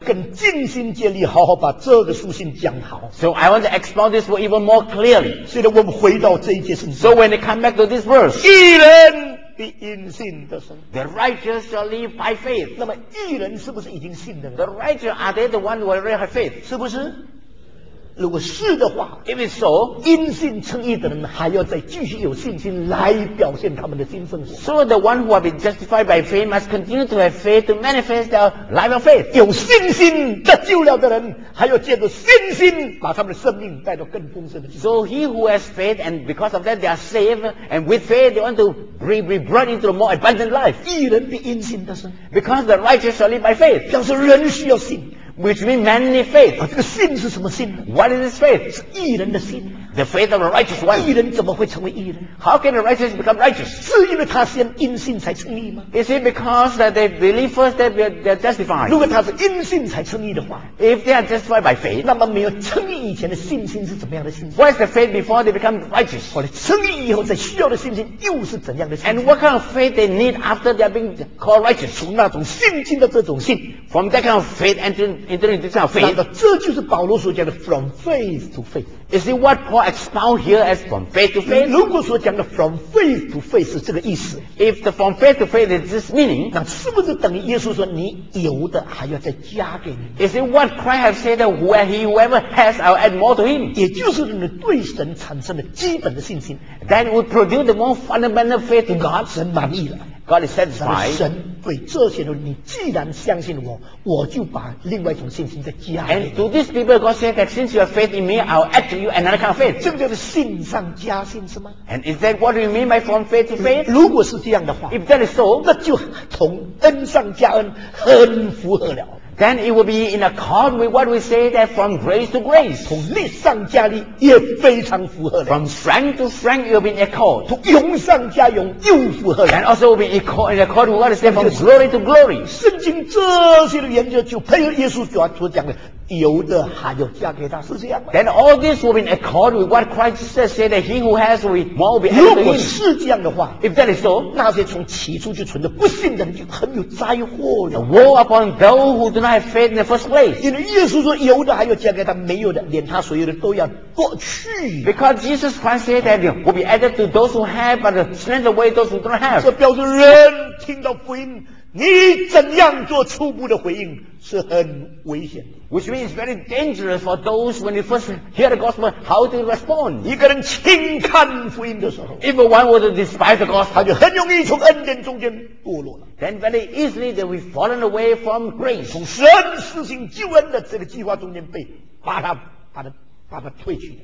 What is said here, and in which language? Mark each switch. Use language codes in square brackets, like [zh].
[zh] 更尽心竭力好好把这个书信讲好。 [en] So I want to explain this word even more clearly. [zh] 所以我们回到这一节圣经。 [en] So when they come back to this verse, [zh] 义人必因信得生。 [en] The righteous shall live by faith. [zh] 那么义人是不是已经信的了？ [en] The righteous, are they the one who already have faith? [zh] 是不是？如果是的话， [en] If it's so, [zh] 因信称义的人还要再继续有信心来表现他们的新生活。 [en] So the one who have been justified by faith must continue to have faith to manifest their life of faith. [zh] 有信心得救了的人还要借着信心把他们的生命带到更丰盛的。 [en] So he who has faith and because of that they are saved and with faith they want to be brought into a more abundant life. [zh] 义人必因信得生。 [en] Because the righteous shall live by faith. [zh] 表示人需要信。 [en] Which means manly faith. [zh] 这个信是什么信？ [en] What is this faith? [zh] 是义人的信。 [en] The faith of a righteous one. [zh] 义人怎么会成为义人？ [en] How can a righteous become righteous? [zh] 是因为他先因信才称义吗？ [en] Is it because that they believe first that they are justified? [zh] 如果他是因信才称义的话， [en] If they are justified by faith, [zh] 那么没有称义以前的信心是怎么样的信心？ [en] What is the faith before they become righteous? [zh] 或者称义以后才需要的信心又是怎样的信心？ [en] And what kind of faith they need after they are being called righteous? [zh] 从那种信心的这种信， [en] From that kind of faith entering this kind of faith. [zh] 那么这就是保罗所讲的 [en] from faith to faith. Is it what Paul expound here as from faith to faith? [zh] 如果所讲的 [en] from faith to faith [zh] 是这个意思， [en] If the from faith to faith is this meaning, [zh] 那是不是等于耶稣说你有的还要再加给你？ [en] Is it what Christ has said that whoever has I'll add more to him? [zh] 也就是你对神产生的基本的信心， [en] Then it would produce the more fundamental faith to God. [zh] 神满意了。 [en] God is satisfied. [zh] 神对这些人，你既然相信我，我就把另外一种信心再加给你。 [en] And to these people, God said that since you have faith in me, I'll add to you another kind of faith. [zh] 这个叫做信上加信是吗？ [en] And is that what you mean by from faith to faith? [zh] 如果是这样的话， [en] If that is so, [zh] 那就从恩上加恩很符合了。 [en] Then it will be in accord with what we say that from grace to grace. [zh] 从力上加力也非常符合的。 [en] From strength to strength, it will be in accord. [zh] 从勇上加勇又符合的。 [en] And also will be in accord with what we say from glory to glory. [zh] 圣经这些的研究就配合耶稣所讲的。有的还要加给他，是这样吗？ [en] Then all this will be in accord with what Christ said, say that he who has will more will be added to him. [zh] 如果是这样的话， [en] If that is so, [zh] 那些从起初就存着不信的人就很有灾祸了。 [en] The woe upon those who do not have faith in the first place. [zh] 因为耶稣说有的还要加给他，没有的连他所有的都要夺去。 [en] Because Jesus Christ said that will be added to those who have, but snatched away those who don't have. [zh] 这表示人听到福音，你怎样做初步的回应是很危险的。 [en] Which means very dangerous for those when they first hear the gospel, how to respond. [zh] 一个人轻看福音的时候， [en] If one were to despise the gospel, [zh] 他就很容易从恩典中间堕落了。 [en] Then very easily they will fallen away from grace. [zh] 从神施行救恩的这个计划中间被把他退去。